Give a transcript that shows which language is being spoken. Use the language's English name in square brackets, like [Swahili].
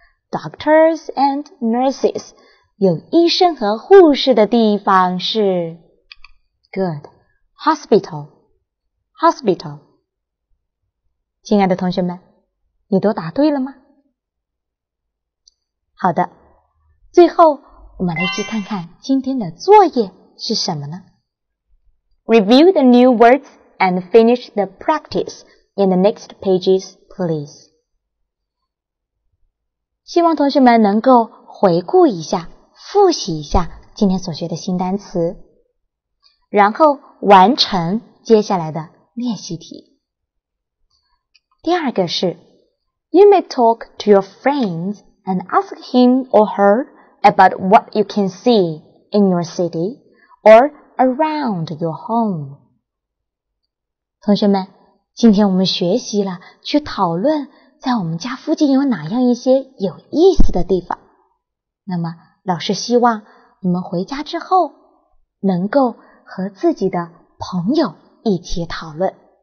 [English] Doctors and nurses. [Chinese] 有医生和护士的地方是 [English] good, hospital, hospital. [Chinese] 亲爱的同学们，你都答对了吗？好的，最后我们来一起看看今天的作业是什么呢？ [English] Review the new words and finish the practice in the next pages, please. [Chinese] 希望同学们能够回顾一下复习一下今天所学的新单词，然后完成接下来的练习题。第二个是 [English] You may talk to your friends and ask him or her about what you can see in your city or around your home. [Chinese] 同学们，今天我们学习了去讨论在我们家附近有哪样一些有意思的地方。那么老师希望你们回家之后能够和自己的朋友一起讨论。